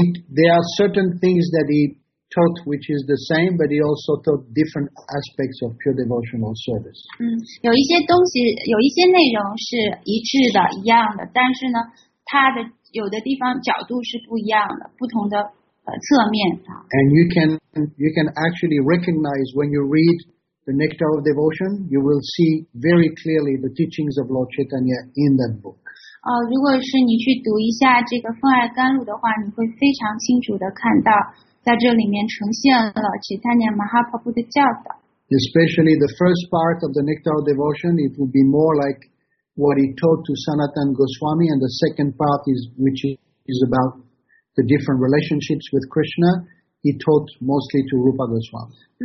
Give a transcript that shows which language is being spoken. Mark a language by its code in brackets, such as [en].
[en] There are certain things that he taught which is the same, but he also taught different aspects of pure devotional service. [zh] 有一些东西，有一些内容是一致的，一样的，但是呢，他的有的地方角度是不一样的，不同的侧面。 [en] And you can actually recognize when you read the Nectar of Devotion, you will see very clearly the teachings of Lord Chaitanya in that book. [zh] 如果是你去读一下这个《奉爱甘露》的话，你会非常清楚的看到。在这里面呈现了 Chaitanya Mahaprabhu 的教导。 [en] Especially the first part of the Nectar of Devotion, it would be more like what he taught to Sanatan Goswami, and the second part which is about the different relationships with Krishna, he taught mostly to Rupa Goswami.